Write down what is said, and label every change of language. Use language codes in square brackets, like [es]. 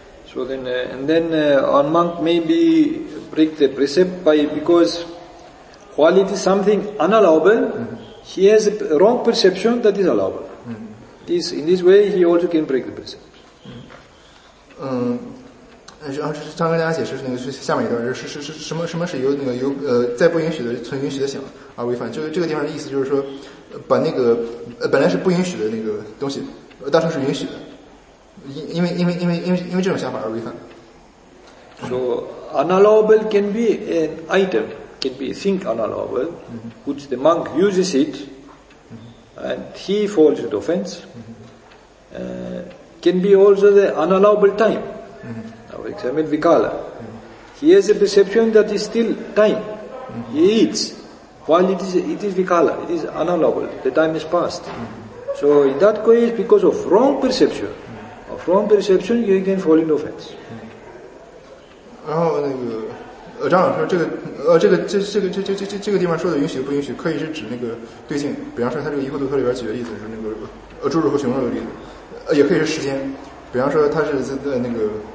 [en] So then, and then one monk maybe break the precept by because while it is something unallowable, he has a wrong perception that is allowable. This in this way, he also can break the precept. [zh] 然后这是张跟大家解释那个下面一段，是什么是由那个由在不允许的存允许的想而违反，这个地方的意思就是说，把那个本来是不允许的那个东西，当成是允许的，因为这种想法而违反。 [en] So unallowable can be an item, can be think unallowable, which the monk uses it, and he falls into offense. Can be also the unallowable time. For example, Vikala. He has a perception that is still time. He eats. While it is Vikala, it is unallowable. The time is past. So in that case, because of wrong perception, you again fall into offense. [zh] 然后那个张老师说这个地方说的允许不允许可以是指那个对境，比方说他这个疑惑图特里边举的例子是那个猪肉和熊肉的例子，也可以是时间，比方说他是那个。